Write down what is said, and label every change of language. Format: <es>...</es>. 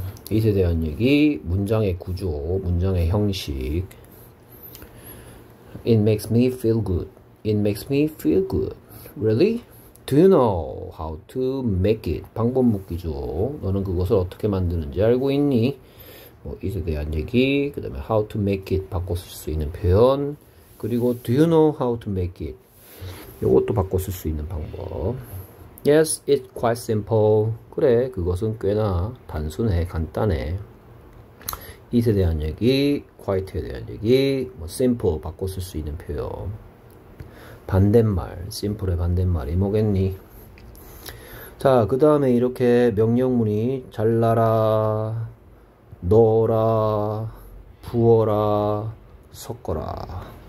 <ko>이에 대한 얘기, 문장의 구조, 문장의 형식.</ko> <en>It makes me feel good. It makes me feel good. Really? Do you know how to make it?</en> <ko>방법 묻기죠. 너는 그것을 어떻게 만드는지 알고 있니? 뭐, 이에 대한 얘기, 그 다음에</ko> <en>how to make it</en> <ko>바꿔 쓸수 있는 표현. 그리고</ko> <en>do you know how to make it?</en> <ko>이것도 바꿔 쓸수 있는 방법.</ko> <en>Yes, it's quite simple.</en> <ko>그래, 그것은 꽤나 단순해, 간단해. It에 대한 얘기, quite에 대한 얘기, 뭐 simple 바꿔 쓸수 있는 표현. 반대말, simple의 반대말이 뭐겠니? 자, 그 다음에 이렇게 명령문이 잘라라, 넣어라, 부어라, 섞어라.</ko>